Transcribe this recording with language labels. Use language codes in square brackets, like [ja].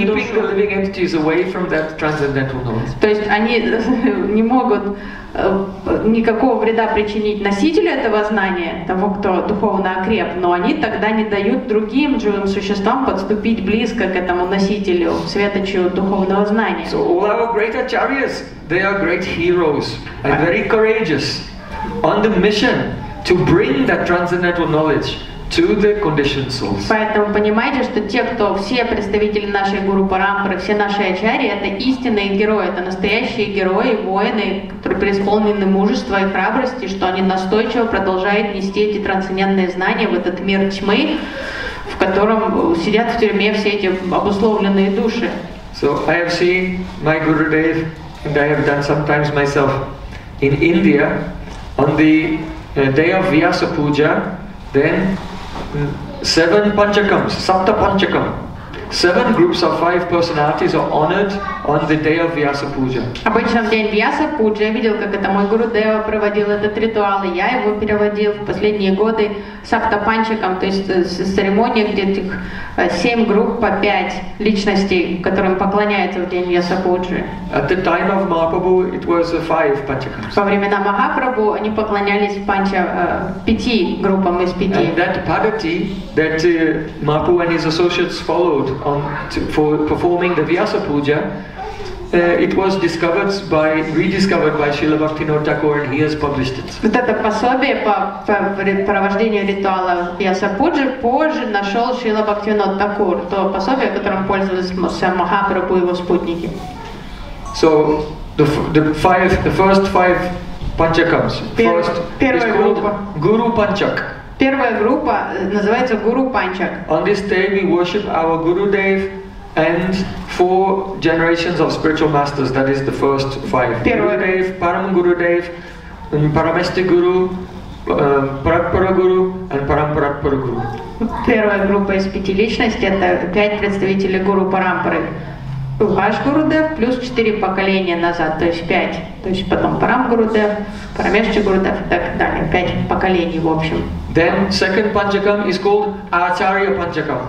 [ru] освобожденную душу. То есть они не могут никакого вреда причинить носителю этого знания, тому, кто духовно окреп, но они тогда не дают другим живым существам подступить близко к этому носителю, светочу духовного знания. [en] So all our great acharyas, they are great heroes and very courageous on the mission to bring that transcendental knowledge to the conditioned souls. [ru] Поэтому понимаете, что те, кто все представители нашей гуру парампары, все наши ачари, это истинные герои, это настоящие герои, воины, которые преисполнены мужества и храбрости, что они настойчиво продолжают нести эти трансцендентные знания в этот мир тьмы, в котором сидят в тюрьме все эти обусловленные души. [en] So I have seen my Guru Dev, and I have done sometimes myself in India on the day of Vyasa Puja. Then seven panchakams, sapta panchakam, seven groups of five personalities are honored on the day of Vyasa Puja. [ru] Обычно в день Вьяса Пуджа, я видел, как это мой Гуру Дева проводил этот ритуал, и я его переводил в последние годы сапта панчакам, то есть церемония, где этих семь групп по пять личностей, которым поклоняются в день Вьяса Пуджи. [en] At the time of Mahaprabhu, it was five panchakams. [ru] Во времена Махапрабху они поклонялись панча пяти группам из пяти. [en] And that padati that Mahaprabhu and his associates followed on for performing the Vyasa Puja, it was discovered by rediscovered by Srila Bhaktivinoda Thakur, and he has published it. [ru] Вот это пособие по провождению ритуала Vyasa Puja позже нашел Шрила Бхактивинода Такур, то пособие, которым пользовались Махапрабху и его спутники. [en] So the first five panchakams. First is called Guru Panchak. [ru] Первая группа называется Guru Panchak. [en] On this day we worship our Guru Dev and four generations of spiritual masters. That is the first five. Guru Dev, Param Guru Dev, Paramesti Guru, [ru] Парапарагуру и Парампарапарагуру. Первая группа из пяти личностей – это пять представителей Гуру Парампары. Ваш Гурудев плюс четыре поколения назад, то есть пять. То есть потом Парамгурудев, Парамешча Гурудев и так далее. Пять поколений в общем. [en] Then second Панчакам is called Ачарья Панчакам.